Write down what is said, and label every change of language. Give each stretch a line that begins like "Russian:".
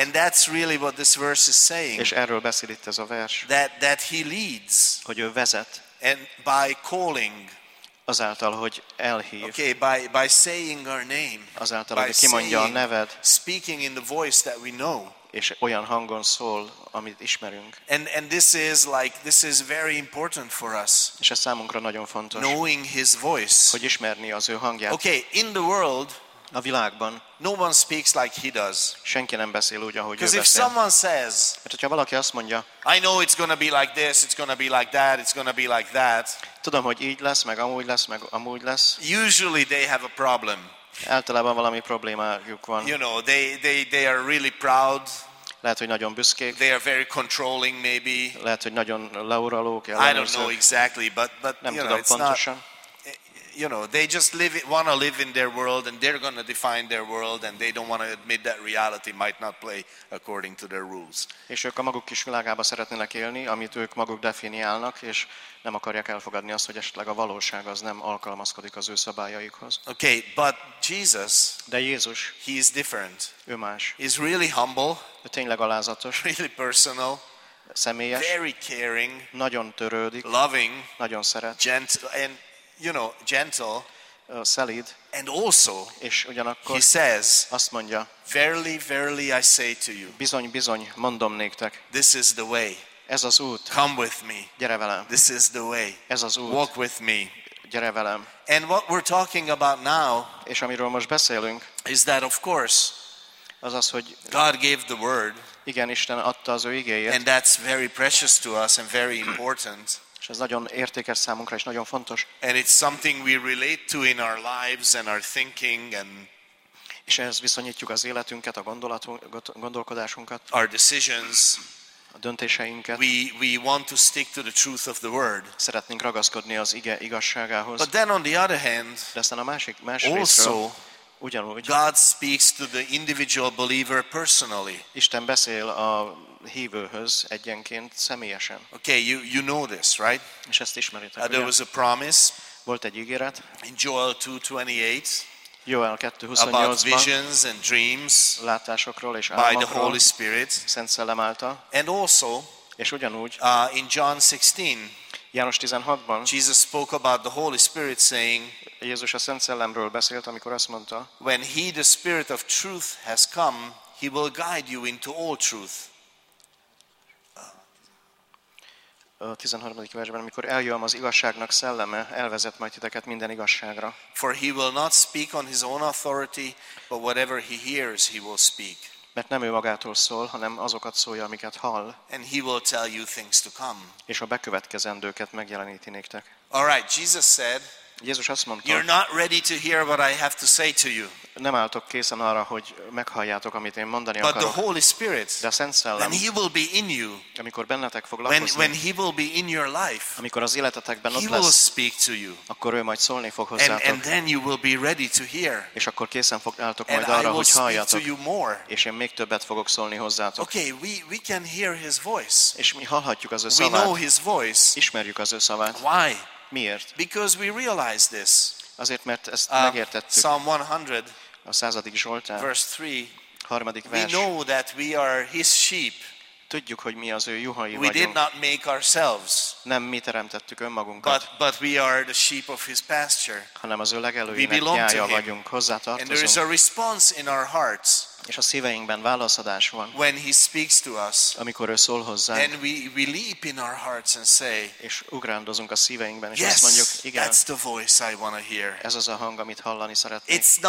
English: And that's really what this verse is saying.
Hungarian: És erről beszél itt ez a vers.
English: That he leads.
Hungarian: Hogy ő vezet.
English: And by calling,
Hungarian: azáltal, hogy elhív.
English: Okay, by saying our name,
Hungarian: azáltal, hogy kimondja a neved.
English: Speaking in the voice that we know,
Hungarian: és olyan hangon szól, amit ismerünk.
English: And this is like this is very important for us.
Hungarian: És ez számunkra nagyon fontos.
English: Knowing his voice,
Hungarian: hogy ismerni az ő hangját.
English: Okay, in the world,
Hungarian: a világban,
English: no one speaks like he does.
Hungarian: Senki nem beszél úgy, ahogy ő beszél.
English: Because if someone says,
Hungarian: mert hogyha valaki azt mondja,
English: I know it's gonna be like this, it's gonna be like that, it's gonna be like that.
Hungarian: Tudom, hogy így lesz, meg amúgy lesz.
English: Usually they have a problem.
Hungarian: Általában valami problémájuk van.
English: You know, they are really proud.
Hungarian: Lehet, hogy nagyon büszkék.
English: They are very controlling, maybe.
Hungarian: Lehet, hogy nagyon leuralók.
English: I don't know exactly, but
Hungarian: nem
English: you
Hungarian: tudom
English: know, it's
Hungarian: pontosan.
English: Not. You know, they just want to live in their world, and they're going to define their world, and they don't want to admit that reality might not play according to their rules.
Hungarian: És ők a maguk kis világába szeretnének élni, amit ők maguk definiálnak, és nem akarják elfogadni azt, hogy esetleg a valóság az nem alkalmazkodik az ő szabályaikhoz.
English: Okay, but Jesus,
Hungarian: de Jézus,
English: he is different.
Hungarian: Ő más.
English: He's really humble.
Hungarian: Ő tényleg alázatos.
English: Really personal.
Hungarian: személyes,
English: very caring,
Hungarian: nagyon törődik,
English: loving,
Hungarian: nagyon szeret,
English: gentle, and you know, gentle,
Hungarian: szelíd,
English: and also,
Hungarian: és ugyanakkor,
English: he says,
Hungarian: azt mondja,
English: verily, verily I say to you,
Hungarian: bizony, bizony, mondom néktek,
English: this is the way,
Hungarian: ez az út,
English: come with me,
Hungarian: gyere velem,
English: this is the way,
Hungarian: ez az út,
English: walk with me,
Hungarian: gyere velem.
English: And what we're talking about now,
Hungarian: és amiről most beszélünk,
English: is that of course,
Hungarian: az az, hogy
English: God gave the word.
Hungarian: Igen, Isten adta az ő igéjét.
English: And that's very precious to us and very important.
Hungarian: És ez nagyon értékes számunkra és nagyon fontos.
English: And it's something we relate to in our lives and our thinking and.
Hungarian: És ehhez viszonyítjuk az életünket, a gondolkodásunkat.
English: Our decisions.
Hungarian: A döntéseinket.
English: We want to stick to the truth of the word.
Hungarian: Szeretnénk ragaszkodni az ige igazságához.
English: But then on the other hand.
Hungarian: De aztán a másik más
English: also,
Hungarian: ugyanúgy.
English: God speaks to the individual believer personally.
Hungarian: Isten beszél a hívőhöz egyenként személyesen.
English: Okay, you know this, right?
Hungarian: És ezt ismeritek.
English: There was a promise.
Hungarian: Volt egy ígéret.
English: In Joel 2:28.
Hungarian: Joel 2:28-ban.
English: About visions and dreams.
Hungarian: Látásokról és álmokról.
English: By the Holy Spirit.
Hungarian: Szent Szellem által.
English: And also.
Hungarian: És ugyanúgy.
English: In John 16.
Hungarian: János 16-ban.
English: Jesus spoke about the Holy Spirit saying.
Hungarian: Jézus a Szent Szellemről beszélt, amikor azt mondta,
English: when he, the Spirit of truth, has come, he will guide you into all truth.
Hungarian: A 13. versben, amikor eljön az igazságnak szelleme, elvezet majd titeket minden igazságra.
English: For he will not speak on his own authority, but whatever he hears, he will speak.
Hungarian: Mert nem ő magától szól, hanem azokat szólja, amiket hall.
English: And he will tell you things to come.
Hungarian: És a bekövetkezendőket megjeleníti néktek.
English: All right, Jesus said,
Hungarian: Jézus azt mondta,
English: you're not ready to hear what I have to say to you.
Hungarian: Nem álltok készen arra, hogy meghalljátok, amit én mondani akarok.
English: But the Holy Spirit,
Hungarian: de a Szent Szellem,
English: when he will be in you,
Hungarian: amikor bennetek fog lakozni,
English: when he will be in your life,
Hungarian: amikor az életetekben ott
English: he
Hungarian: lesz,
English: will speak to you,
Hungarian: akkor ő majd szólni fog hozzátok.
English: And then you will be ready to hear.
Hungarian: És akkor készen fog álltok majd arra, hogy halljátok.
English: To you more.
Hungarian: És én még többet fogok szólni hozzátok.
English: Okay, we can hear his voice.
Hungarian: És mi hallhatjuk az ő szavát.
English: We know his voice.
Hungarian: Ismerjük az ő szavát.
English: Why?
Hungarian: Miért?
English: Because we realize this.
Hungarian: Azért, mert ezt megértettük.
English: Psalm 100,
Hungarian: a századik Zsoltár,
English: verse 3,
Hungarian: harmadik vers.
English: We know that we are his sheep.
Hungarian: Tudjuk, hogy mi az ő juhai vagyunk.
English: We did not make ourselves.
Hungarian: Nem mi teremtettük önmagunkat.
English: But we are the sheep of his pasture.
Hungarian: Hanem az ő legelőjének gyája vagyunk. Hozzá tartozunk.
English: And there is a response in our hearts.
Hungarian: És a szíveinkben válaszadás van.
English: When he speaks to us.
Hungarian: Amikor ő szól hozzánk.
English: And we leap in our hearts and say.
Hungarian: És ugrándozunk a szíveinkben, és
English: yes,
Hungarian: azt mondjuk, igen.
English: That's the voice I want to hear.
Hungarian: Ez az a hang, amit hallani szeretnék.